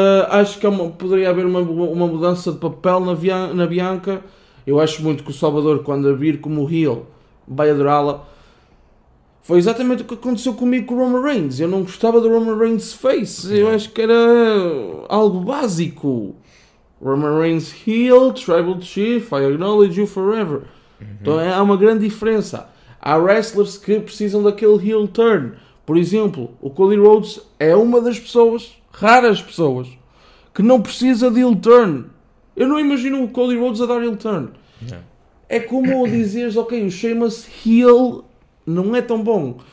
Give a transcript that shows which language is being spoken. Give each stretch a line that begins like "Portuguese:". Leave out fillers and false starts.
Portuguese: Acho que é uma, poderia haver uma mudança de papel na Bianca. Eu acho muito que o Salvador, quando a vir como heel, vai adorá-la. Foi exatamente o que aconteceu comigo com o Roman Reigns. Eu não gostava do Roman Reigns face. Eu acho que era algo básico.
English: Roman Reigns heel, tribal chief, I acknowledge you forever. Uhum.
Portuguese: Então há uma grande diferença. Há wrestlers que precisam daquele heel turn. Por exemplo, o Cody Rhodes é uma das pessoas, raras pessoas, que não precisa de heel turn. Eu não imagino o Cody Rhodes a dar heel turn. Não. É como dizeres, ok, o Sheamus heel... Não é tão bom.